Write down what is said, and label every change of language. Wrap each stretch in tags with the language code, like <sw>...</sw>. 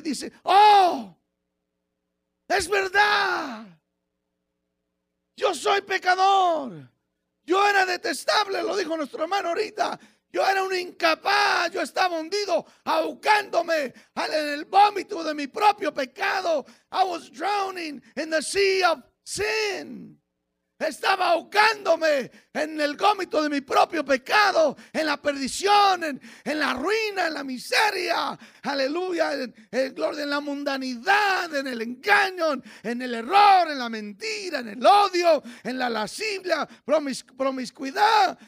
<es>Dice, oh, es verdad, yo soy pecador, yo era detestable, lo dijo nuestro hermano ahorita, yo era un incapaz, yo estaba hundido ahogándome en el vómito de mi propio pecado.</es> <en>I was drowning in the sea of sin.</en> <es>Estaba ahogándome en el vómito de mi propio pecado, en la perdición, en la ruina, en la miseria. Aleluya, en gloria, en la mundanidad, en el engaño, en el error, en la mentira, en el odio, en la lascivia, promiscuidad.</es>